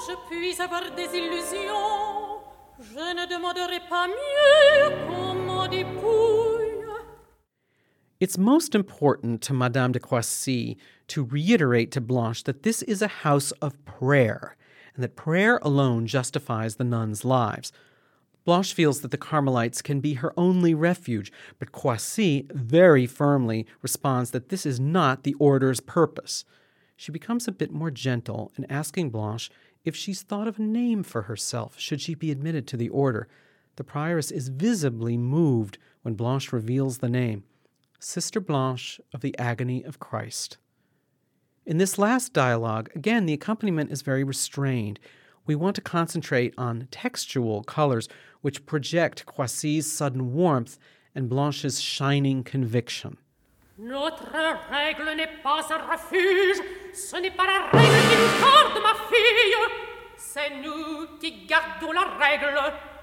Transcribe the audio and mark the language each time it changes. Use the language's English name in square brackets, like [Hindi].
[French] puisse avoir des illusions. Je ne demanderai pas mieux qu'on m'en dépouille. [English] It's most important to Madame de Croissy to reiterate to Blanche that this is a house of prayer, and that prayer alone justifies the nuns' lives. Blanche feels that the Carmelites can be her only refuge, but Croissy very firmly responds that this is not the order's purpose. She becomes a bit more gentle in asking Blanche if she's thought of a name for herself should she be admitted to the order. The prioress is visibly moved when Blanche reveals the name, Sister Blanche of the Agony of Christ. In this last dialogue, again, the accompaniment is very restrained. We want to concentrate on textual colors which project Croissy's sudden warmth and Blanche's shining conviction. [French] Notre règle n'est pas un refuge, ce n'est pas la règle qui nous porte, ma fille, c'est nous qui gardons la règle.